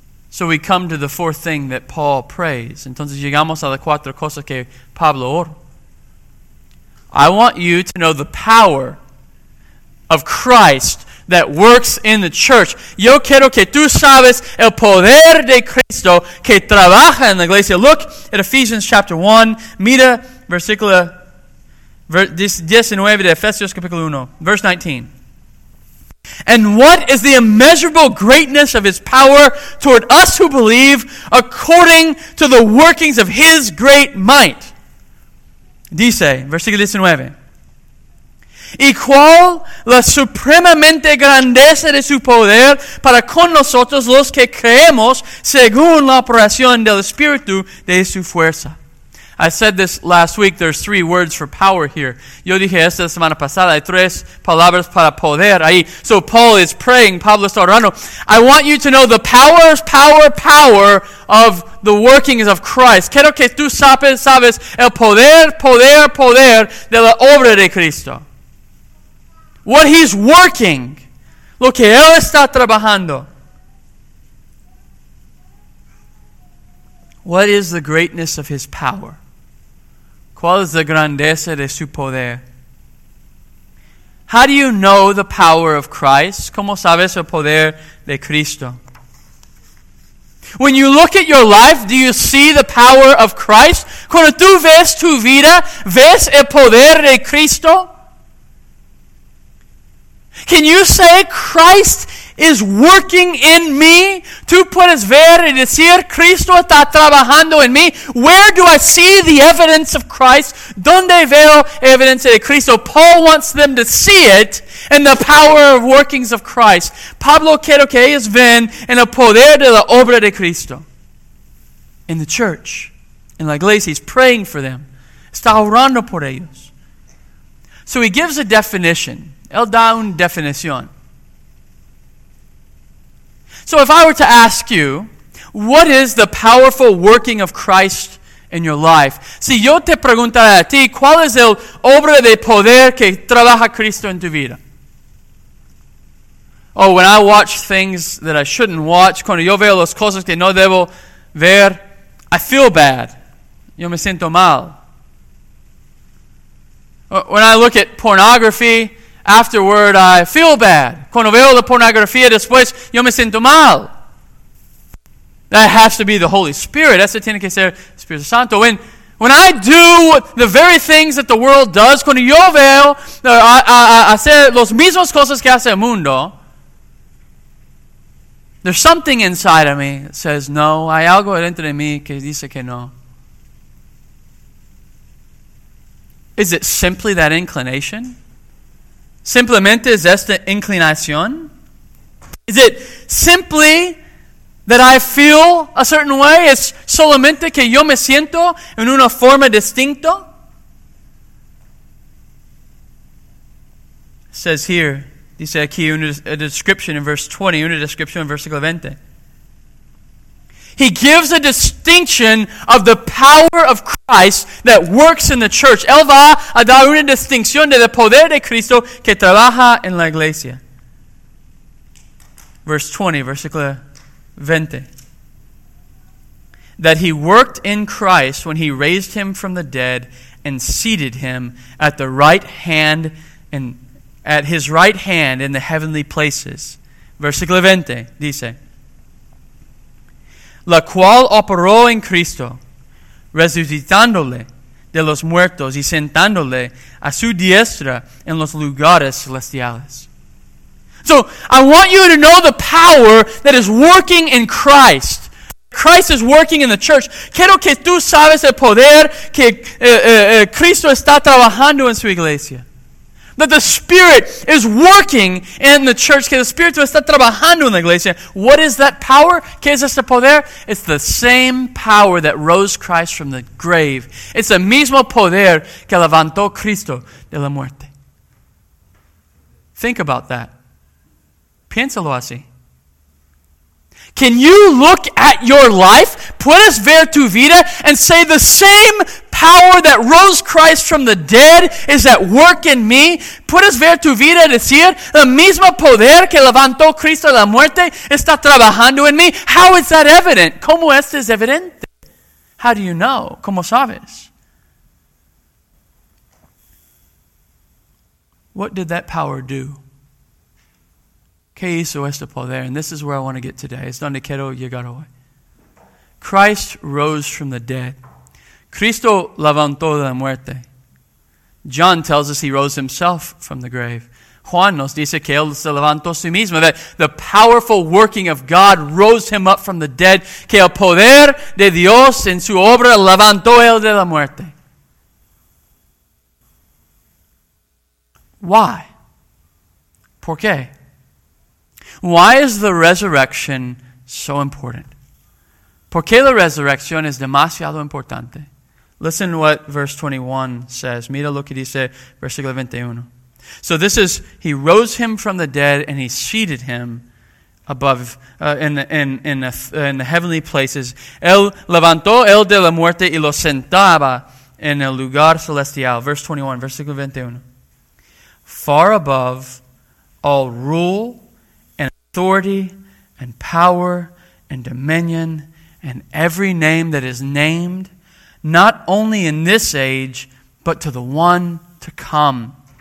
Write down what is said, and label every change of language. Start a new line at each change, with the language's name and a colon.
English: So we come to the fourth thing that Paul prays.
Spanish: Entonces llegamos a las cuatro cosas que Pablo ora.
English: I want you to know the power of Christ that works in the church.
Spanish: Yo quiero que tú sabes el poder de Cristo que trabaja en la iglesia.
English: Look at Ephesians chapter 1.
Spanish: Mira versículo 19 de Efesios capítulo 1.
English: Verse 19. And what is the immeasurable greatness of His power toward us who believe according to the workings of His great might?
Spanish: Dice, versículo 19. Y cuál la supremamente grandeza de su poder para con nosotros los que creemos según la operación del Espíritu de su fuerza.
English: I said this last week, there's three words for power here. Yo dije esta semana pasada, hay tres palabras para poder ahí. So Paul is praying,
Spanish: Pablo está orando.
English: I want you to know the powers, power, power of the workings of Christ.
Spanish: Quiero que tú sabes el poder, poder, poder de la obra de Cristo.
English: What He's working.
Spanish: Lo que Él está trabajando.
English: What is the greatness of His power?
Spanish: ¿Cuál es la grandeza de su poder?
English: How do you know the power of Christ?
Spanish: ¿Cómo sabes el poder de Cristo?
English: When you look at your life, do you see the power of Christ?
Spanish: Cuando tú ves tu vida, ¿ves el poder de Cristo?
English: Can you say, Christ is working in me?
Spanish: Tú puedes ver y decir, Cristo está trabajando en mí.
English: Where do I see the evidence of Christ?
Spanish: ¿Dónde veo evidencia de Cristo?
English: Paul wants them to see it in the power of workings of Christ.
Spanish: Pablo quiero que ellos ven en el poder de la obra de Cristo.
English: In the church, in
Spanish: la iglesia,
English: he's praying for them.
Spanish: Está orando por ellos.
English: So he gives a definition.
Spanish: Él da una definición.
English: So if I were to ask you, what is the powerful working of Christ in your life?
Spanish: Si yo te preguntara a ti, ¿cuál es el obra de poder que trabaja Cristo en tu vida?
English: Oh, when I watch things that I shouldn't watch,
Spanish: cuando yo veo las cosas que no debo ver,
English: I feel bad.
Spanish: Yo me siento mal.
English: When I look at pornography, afterward, I feel bad.
Spanish: Cuando veo la pornografía después, yo me siento mal.
English: That has to be the Holy Spirit.
Spanish: Eso tiene que ser Espíritu Santo.
English: When I do the very things that the world does,
Spanish: cuando yo veo hacer los mismos cosas que hace el mundo,
English: there's something inside of me that says no.
Spanish: Hay algo dentro de mí que dice que no.
English: Is it simply that inclination?
Spanish: Simplemente es esta inclinación?
English: Is it simply that I feel a certain way?
Spanish: Es solamente que yo me siento en una forma distinta?
English: It says here,
Spanish: dice aquí una
English: description in verse 20,
Spanish: una descripción en versículo 20.
English: He gives a distinction of the power of Christ that works in the church.
Spanish: Él va a dar una distinción del poder de Cristo que trabaja en la iglesia.
English: Verse 20,
Spanish: versículo 20.
English: That He worked in Christ when He raised Him from the dead and seated Him at the right hand and at His right hand in the heavenly places.
Spanish: Versículo 20, dice. La cual operó en Cristo, resucitándole de los muertos y sentándole a su diestra en los lugares celestiales.
English: So, I want you to know the power that is working in Christ. Christ is working in the church.
Spanish: Quiero que tú sabes el poder que Cristo está trabajando en su iglesia.
English: That the Spirit is working in the church.
Spanish: Que el Espíritu está trabajando en la iglesia.
English: What is that power?
Spanish: ¿Qué es ese poder?
English: It's the same power that rose Christ from the grave. It's the
Spanish: mismo poder que levantó Cristo de la muerte.
English: Think about that.
Spanish: Piénsalo así.
English: Can you look at your life?
Spanish: Puedes ver tu vida
English: and say the same power that rose Christ from the dead is at work in me?
Spanish: Puedes ver tu vida y decir, el mismo poder que levantó Cristo de la muerte está trabajando en mí?
English: How is that evident?
Spanish: ¿Cómo esto es evidente?
English: How do you know?
Spanish: ¿Cómo sabes?
English: What did that power do?
Spanish: ¿Qué hizo este poder?
English: And this is where I want to get today.
Spanish: Es donde quiero llegar hoy.
English: Christ rose from the dead.
Spanish: Cristo levantó de la muerte.
English: John tells us he rose himself from the grave.
Spanish: Juan nos dice que él se levantó a sí mismo.
English: That the powerful working of God rose him up from the dead.
Spanish: Que el poder de Dios en su obra levantó él de la muerte. Why? ¿Por qué?
English: Why is the resurrection so important?
Spanish: ¿Por qué la resurrección es demasiado importante?
English: Listen to what verse 21 says.
Spanish: Mira lo que dice versículo 21.
English: So this is, he rose him from the dead and he seated him above, in the heavenly places.
Spanish: Él levantó él de la muerte y lo sentaba en el lugar celestial.
English: Verse 21,
Spanish: versículo 21.
English: Far above all rule and authority and power and dominion and every name that is named, not only in this age, but to the one to come.